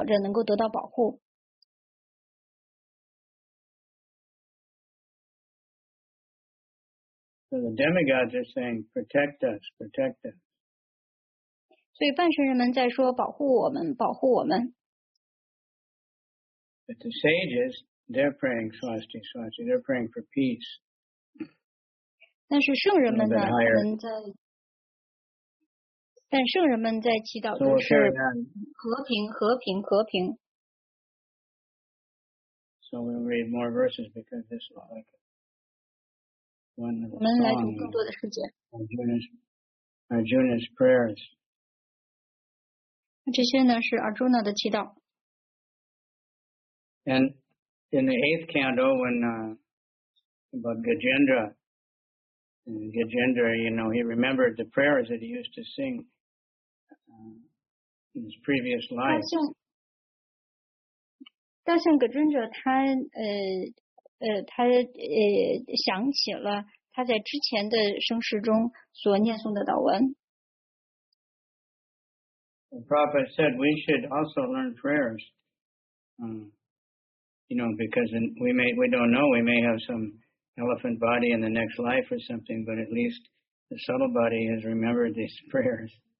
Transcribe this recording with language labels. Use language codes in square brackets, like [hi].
[en] so the demigods are saying, protect us, protect us. [zh] 所以半神人们在说, 保护我们, 保护我们. [en] But the sages, they're praying, Swasti, Swasti, they're praying for peace. [zh] 但是圣人们呢, [en] a little bit higher. [zh] 他们在 但圣人们在祈祷的是和平，和平，和平。 [en] So we'll read more verses because this is like one of the [zh] 我们来读更多的世界。 [en] Arjuna's prayers. [zh] 这些呢是Arjuna的祈祷。 [en] And in the 8th canto, when about Gajendra, and Gajendra, you know, he remembered the prayers that he used to sing. In his previous life. [zh] 大圣葛尊者他想起了他在之前的生世中所念诵的祷文。 [en] The prophet said we should also learn prayers. You know, because we don't know, we may have some elephant body in the next life or something, but at least the subtle body has remembered these prayers.